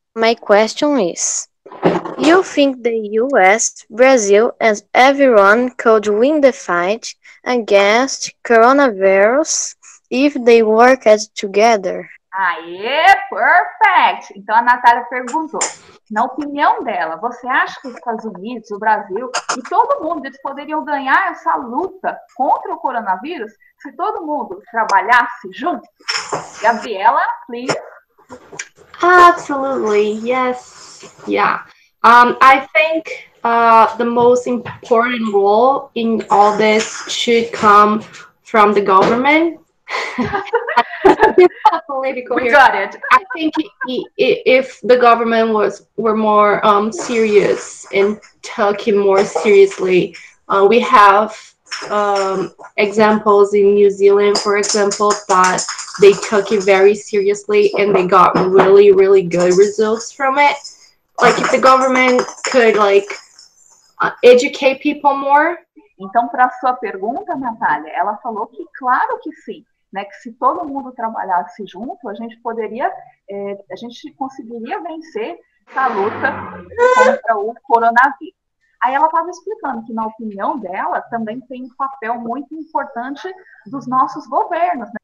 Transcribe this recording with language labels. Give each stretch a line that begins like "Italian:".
English: My question is, you think the US, Brazil, and everyone could win the fight against coronavirus if they worked together? Aê, perfect!
Portuguese: Então a Natália perguntou, na opinião dela, você acha que os Estados Unidos, o Brasil e todo mundo, eles poderiam ganhar essa luta contra o coronavírus se todo mundo trabalhasse junto?
English: Gabriela, please. Absolutely, yes. Yeah. I think the most important role in all this should come from the government. Political. We got it. I think if the government were more serious and took it more seriously, we have examples in New Zealand, for example, that they took it very seriously and they got really, really good results from it. Like if the government could like educate people more.
Portuguese: Então, para sua pergunta, Natália, ela falou que claro que sim. Né, que se todo mundo trabalhasse junto, a gente poderia, a gente conseguiria vencer essa luta contra o coronavírus. Aí ela estava explicando que, na opinião dela, também tem um papel muito importante dos nossos governos. Né?